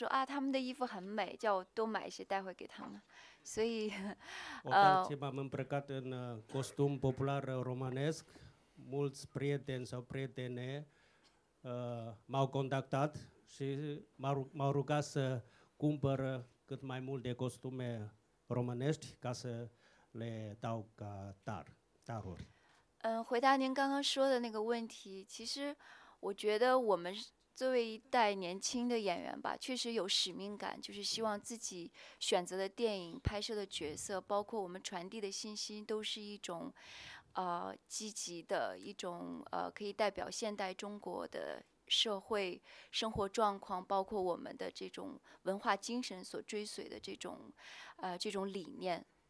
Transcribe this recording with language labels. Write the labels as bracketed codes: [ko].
[zh] 我这一次来，我身边的女朋友都说啊，他们的衣服很美，叫我多买一些带回给他们。所以, [ro] m-am îmbrăcat în costum popular românesc. Mulți prieteni sau prietene m-au contactat și m-au rugat să cumpăr cât mai multe costume românești ca să le dau ca taruri. [zh] 回答您刚刚说的那个问题，其实我觉得我们是 作为一代年轻的演员吧，确实有使命感，就是希望自己选择的电影、拍摄的角色，包括我们传递的信心，都是一种积极的，一种可以代表现代中国的社会生活状况，包括我们的这种文化精神所追随的这种理念。